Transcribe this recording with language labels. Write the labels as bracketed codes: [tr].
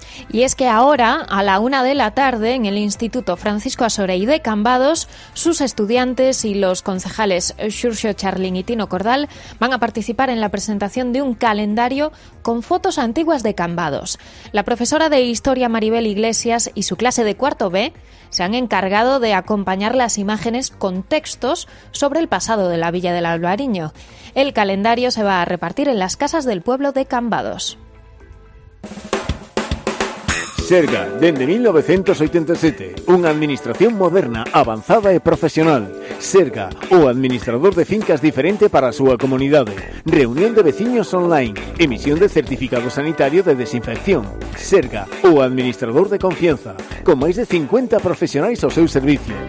[es] Y es que ahora, a la 1 de la tarde, en el Instituto Francisco Asorey de Cambados, sus estudiantes y los concejales Xurxo Charlín y Tino Cordal van a participar en la presentación de un calendario con fotos antiguas de Cambados. La profesora de Historia Maribel Iglesias y su clase de cuarto B se han encargado de acompañar las imágenes con textos sobre el pasado de la Villa del Albariño. El calendario se va a repartir en las casas del pueblo de Cambados. [gl] Serga, dende 1987, unha administración moderna, avanzada e profesional. Serga, o administrador de fincas diferente para a súa comunidade. Reunión de veciños online, emisión de certificado sanitario de desinfección. Serga, o administrador de confianza, con máis de 50 profesionais ao seu servicio.